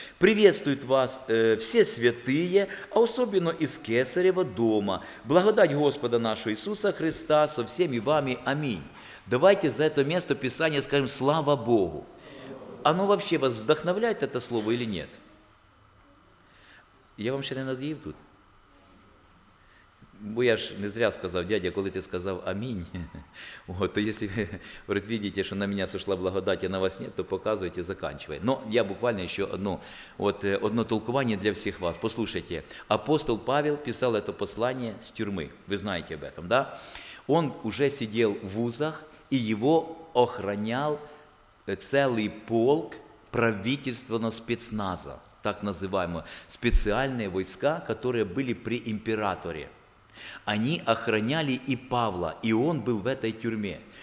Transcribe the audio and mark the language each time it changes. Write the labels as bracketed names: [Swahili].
[Russian] Приветствуют вас все святые, а особенно из Кесарева дома. Благодать Господа нашего Иисуса Христа со всеми вами. Аминь». Давайте за это место Писания скажем «Слава Богу». Оно вообще вас вдохновляет, это слово, или нет? Я вам сейчас не надоев тут. [Ukrainian] Бо я ж не зря сказав, дядя, коли ти сказав «Амінь», [Russian] то если [Ukrainian] ви видите, що на мене сошла благодать, а на вас ні, то показуйте, заканчивай. Но я буквально ще одно толкування для всіх вас. [Russian] Послушайте, апостол Павел [Ukrainian] писав це послання з тюрми. Ви знаєте [Russian] об этом, да? Он уже сидел в вузах, и его охранял целый полк правительственного спецназа, так называемые специальные войска, которые были при императоре. Они охраняли и Павла, и он был в этой тюрьме.